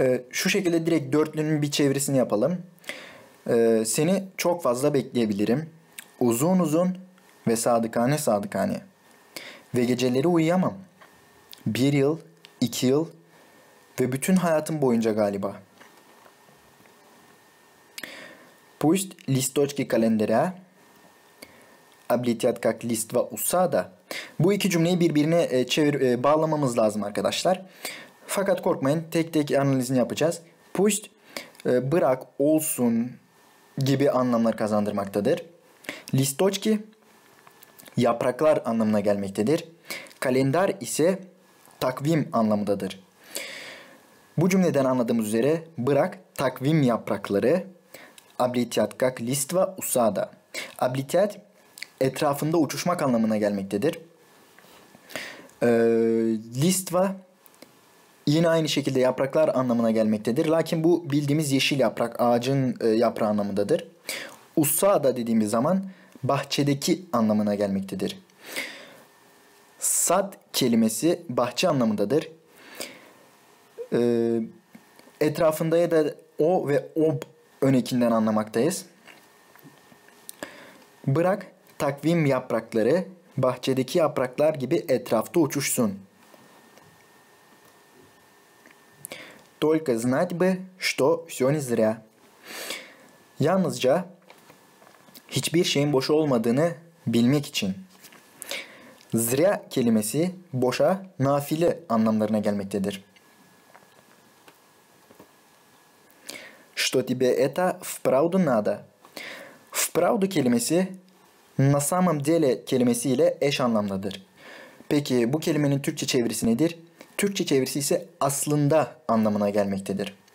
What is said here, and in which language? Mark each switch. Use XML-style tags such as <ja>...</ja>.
<tr>Şu şekilde direkt dörtlünün bir çevirisini yapalım. Seni çok fazla bekleyebilirim. Uzun uzun ve sadıkane sadıkane. Ve geceleri uyuyamam. Bir yıl, iki yıl ve bütün hayatım boyunca galiba.</tr> <ru>Пусть листочки календаря облетят как листва усада.</ru> <tr>Bu iki cümleyi birbirine bağlamamız lazım arkadaşlar. Fakat korkmayın, tek tek analizini yapacağız. Пусть bırak olsun gibi anlamlar kazandırmaktadır. Листочки yapraklar anlamına gelmektedir. Kalender ise takvim anlamındadır. Bu cümleden anladığımız üzere bırak takvim yaprakları.</tr> <ru>Облетят как листва усада.</ru> <tr>Облетят etrafında uçuşmak anlamına gelmektedir. Листва yine aynı şekilde yapraklar anlamına gelmektedir. Lakin bu bildiğimiz yeşil yaprak, ağacın yaprağı anlamındadır. Усада dediğimiz zaman bahçedeki anlamına gelmektedir. Сад kelimesi bahçe anlamındadır. Etrafında ya da o ve ob önekinden anlamaktayız. Bırak takvim yaprakları bahçedeki yapraklar gibi etrafta uçuşsun.</tr> <ru>Только знать бы, что всё не зря.</ru> <tr>Yalnızca hiçbir şeyin boş olmadığını bilmek için. Зря kelimesi boşa, nafile anlamlarına gelmektedir.</tr> <ru>Что тебе это вправду надо?</ru> <tr>Вправду kelimesi</tr> <ru>на самом деле</ru> <tr>kelimesiyle eş anlamdadır. Peki bu kelimenin Türkçe çevirisi nedir? Türkçe çevirisi ise aslında anlamına gelmektedir.</tr>